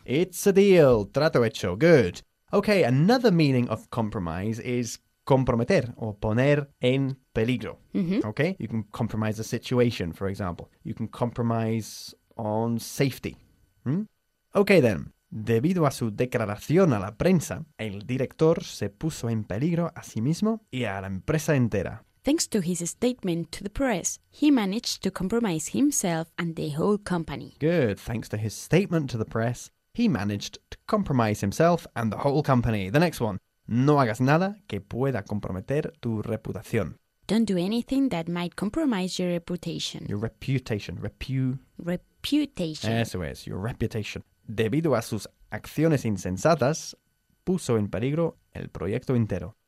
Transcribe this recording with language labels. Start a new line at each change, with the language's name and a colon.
English: It's a deal.
Spanish: Trato hecho.
English: Good. Okay. Another meaning of compromise is comprometer or
Spanish: poner en peligro. Mm-hmm.
English: Okay. You can compromise a situation, for example. You can compromise on safety. Okay, then.
Spanish: Debido a su declaración a la prensa, el director se puso en peligro a sí mismo y a la empresa entera.
English: Thanks to his statement to the press, he managed to compromise himself and the whole company. Good. Thanks to his statement to the press, he managed to compromise himself and the whole company. The next one.
Spanish: No hagas nada que pueda comprometer tu reputación.
English: Don't do anything that might compromise your reputation. Your reputation. Reputation.
Spanish: Eso es.
English: Your reputation.
Spanish: Debido a sus acciones insensatas, puso en peligro el proyecto entero.